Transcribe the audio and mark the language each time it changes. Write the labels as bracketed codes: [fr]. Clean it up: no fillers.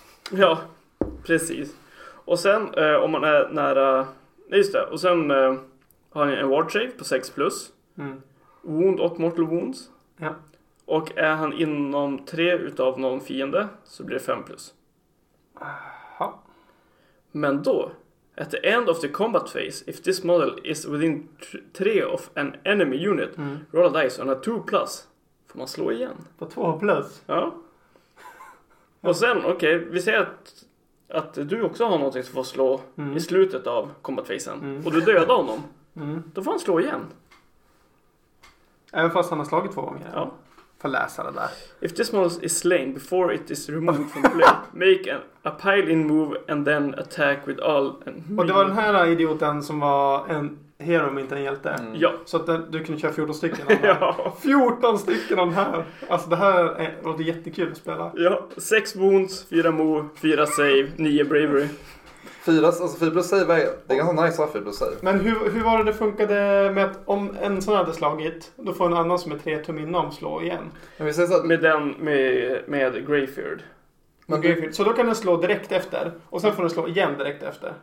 [sv] Ja, precis. Och sen om man är nära... Just det. Och sen har han en ward save på 6 plus. Mm. [en] Wound och mortal wounds. [sv] Ja. Och är han inom 3 utav någon fiende så blir det 5 plus. Aha. [en] Men då, at the end of the combat phase, if this model is within 3 of an enemy unit, mm. roll a dice on a 2 plus. [sv] Får man slå igen? På 2 plus? Ja. Och sen, okej, okay, vi säger att du också har någonting som får slå mm. i slutet av combat phasen. Mm. Och du dödar honom. Mm. Då får han slå igen. Även fast han har slagit 2 gånger. Ja. För läsa det där. [en] If this model is slain before it is removed from play, make a pile in move and then attack with all... [sv] Och det var den här idioten som var en hero, men inte en hjälte. Mm. Ja. Så att du kunde köra 14 stycken av den ja. 14 stycken av den här. Alltså det här låter jättekul att spela. [en] Ja, 6 wounds, 4 move, 4 save, 9 bravery. [sv] 4 alltså plus save är det ganska nice att 4 plus save. Men hur var det funkade med att om en sån hade slagit, då får en annan som är 3 tum innan slå igen? Men vi säger så att... Med Greyfeard. Men Greyfeard. Så då kan den slå direkt efter, och sen får den slå igen direkt efter.